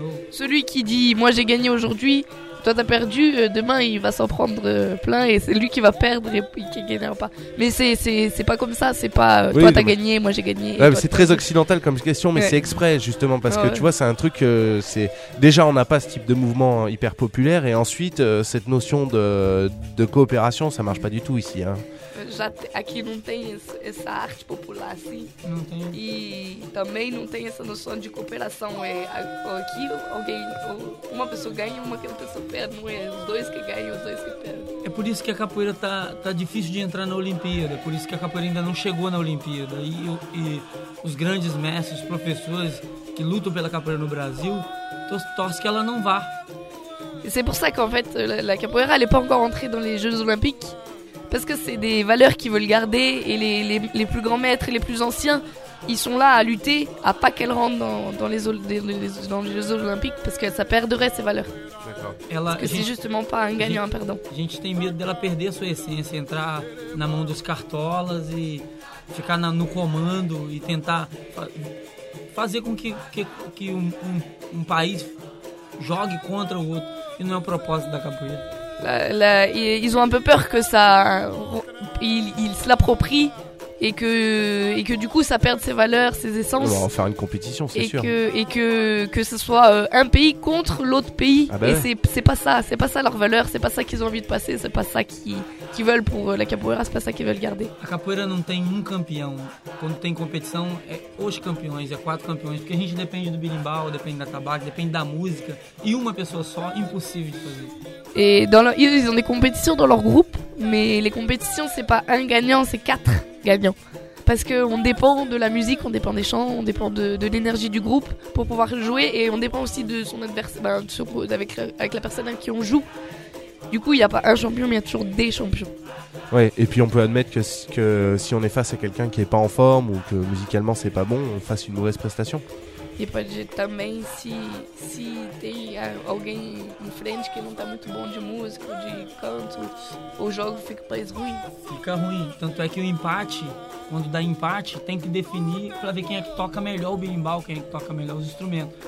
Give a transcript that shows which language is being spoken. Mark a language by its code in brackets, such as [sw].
[fr] Celui qui dit moi j'ai gagné aujourd'hui, toi t'as perdu, demain il va s'en prendre plein et c'est lui qui va perdre et qui gagnera pas. Mais c'est pas comme ça, c'est pas toi t'as gagné, moi j'ai gagné. Ouais, c'est très occidental comme question, mais c'est exprès justement parce que tu vois, c'est un truc. C'est déjà, on n'a pas ce type de mouvement hyper populaire et ensuite, cette notion de coopération, ça marche pas du tout ici. Hein. [pt] Aqui não tem essa arte popular assim. Não tem. E também não tem essa noção de cooperação. É aqui alguém, uma pessoa ganha, uma pessoa perde. Não é os dois que ganham, os dois que perdem. É por isso que a capoeira tá difícil de entrar na Olimpíada. Por isso que a capoeira ainda não chegou na Olimpíada. E os grandes mestres, professores que lutam pela capoeira no Brasil, torcem que ela não vá. [fr] E c'est pour ça qu'en fait, la capoeira, elle est pas encore entrée dans les Jeux Olympiques. Parce que c'est des valeurs qu'ils veulent garder et les plus grands maîtres et les plus anciens, ils sont là à lutter, à pas qu'elles rentrent dans les Jeux Olympiques parce que ça perdrait ces valeurs. D'accord. C'est justement pas un gagnant, un perdant. [pt] A gente tem medo dela perder a sua essência, entrar na mão dos cartolas e ficar no comando e tentar fazer com que um país jogue contra o outro. E não é o propósito da capoeira. [fr] Ils ont un peu peur que ça, ils se l'approprient et que du coup ça perde ses valeurs, ses essences. On va en faire une compétition, c'est sûr. Et que ce soit un pays contre l'autre pays. Ah ben et ouais. c'est pas ça, c'est pas ça leur valeur, c'est pas ça qu'ils ont envie de passer, c'est pas ça qu'ils veulent pour la capoeira, c'est pas ça qu'ils veulent garder. La capoeira n'a pas un champion. Quand il y a compétition, c'est les champions, c'est 4 champions. Parce qu'on dépend du bilimbau, dépend du tabac, dépend de la musique. Et une personne seule, impossible de faire. Et ils ont des compétitions dans leur groupe, mais les compétitions, c'est pas un gagnant, c'est 4 gagnants. parce qu'on dépend de la musique, on dépend des chants, on dépend de l'énergie du groupe pour pouvoir jouer, et on dépend aussi de son adversaire, ben, avec la personne avec qui on joue. Du coup, il n'y a pas un champion, mais il y a toujours des champions. Ouais, et puis on peut admettre que si on est face à quelqu'un qui n'est pas en forme ou que musicalement c'est pas bon, on fasse une mauvaise prestation. [pt] Et pode dizer também se tem alguém em frente que não tá muito bom de música, de canto, o jogo fica mais ruim. Fica ruim, tanto é que o empate, quando dá empate, tem que definir para ver quem é que toca melhor o berimbau, quem é que toca melhor os instrumentos.